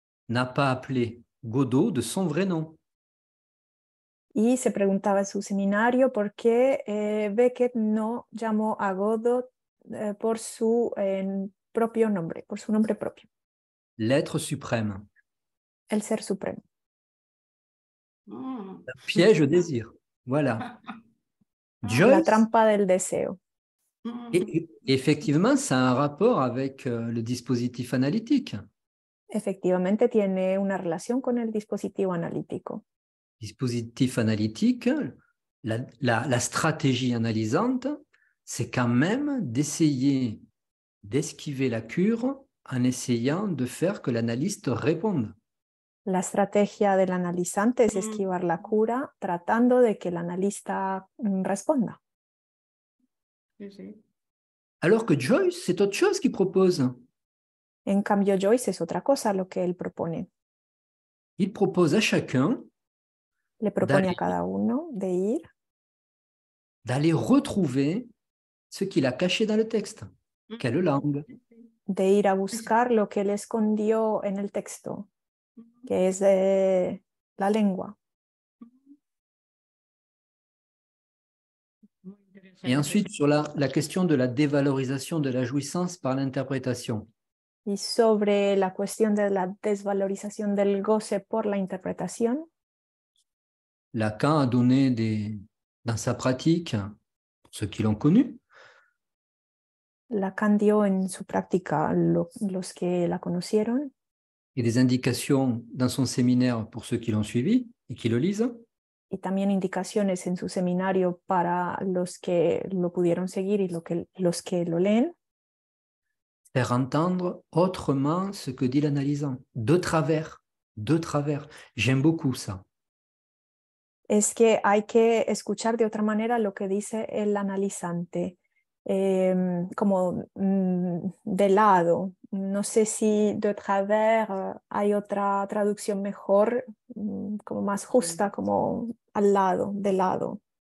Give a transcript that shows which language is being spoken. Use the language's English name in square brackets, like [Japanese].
[French] n'a pas appelé Godot de son vrai nom. [Spanish] Y se preguntaba en su seminario por qué Beckett no llamó a Godot por su propio nombre, por su nombre propio. [French] L'être suprême. [Spanish] El ser supremo. [French] Piège au désir. Voilà. [Spanish] Joyce, la trampa del deseo. [French] Et effectivement, ça a un rapport avec le dispositif analytique. [Spanish] Effectivement, tiene una relación con el dispositivo analítico. [French] Dispositif analytique, la stratégie analysante, c'est quand même d'essayer d'esquiver la cure en essayant de faire que l'analyste réponde. La stratégie de l'analysante [Spanish] es esquivar la cura tratando de que l'analista responda. [French] Alors que Joyce, c'est autre chose qu'il propose. [Spanish] En cambio, Joyce es otra cosa lo que él propone. [French] Il propose à chacun [Spanish] le propone [French] d'aller, [Spanish] a cada uno de ir [French] d'aller retrouver ce qu'il a caché dans le texte. Quelle langue? [Spanish] De ir a buscar lo que él escondió en el texto, que es la lengua. [French] Et ensuite, sur la question de la dévalorisation de la jouissance par l'interprétation. [Spanish] Y sobre la cuestión de la desvalorización del goce por la interpretación. [French] Lacan a donné dans sa pratique, pour ceux qui l'ont connu. [Spanish] Lacan dio en su práctica los que la conocieron. [French] Et des indications dans son séminaire pour ceux qui l'ont suivi et qui le lisent. [Spanish] Y también indicaciones en su seminario para los que lo pudieron seguir y los que lo leen. [French] Faire entendre autrement ce que dit l'analysant, de travers. J'aime beaucoup ça. [Spanish] Es que hay que escuchar de otra manera lo que dice el analizante, como de lado. No sé si [French] de travers [Spanish] hay otra traducción mejor, como más justa, como al lado, de lado.